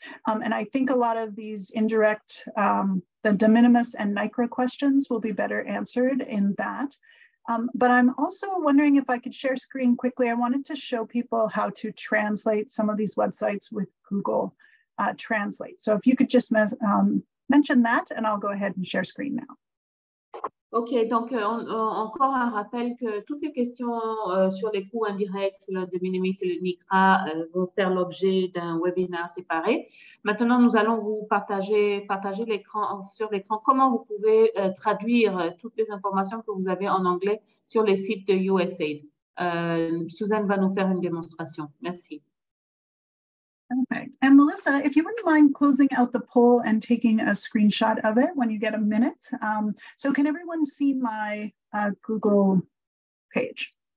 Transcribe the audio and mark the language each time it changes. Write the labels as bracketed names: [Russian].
[English] And I think a lot of these indirect, the de minimis and NICRA questions will be better answered in that. But I'm also wondering if I could share screen quickly. I wanted to show people how to translate some of these websites with Google Translate. So if you could just mention that, and I'll go ahead and share screen now. [French] OK, donc encore un rappel que toutes les questions sur les coûts indirects, sur le de minimis et le NICRA vont faire l'objet d'un webinaire séparé. Maintenant, nous allons vous partager l'écran sur l'écran. Comment vous pouvez traduire toutes les informations que vous avez en anglais sur les sites de USAID? Suzanne va nous faire une démonstration. Merci. [English] Perfect. And Melissa, if you wouldn't mind closing out the poll and taking a screenshot of it when you get a minute. So can everyone see my Google page?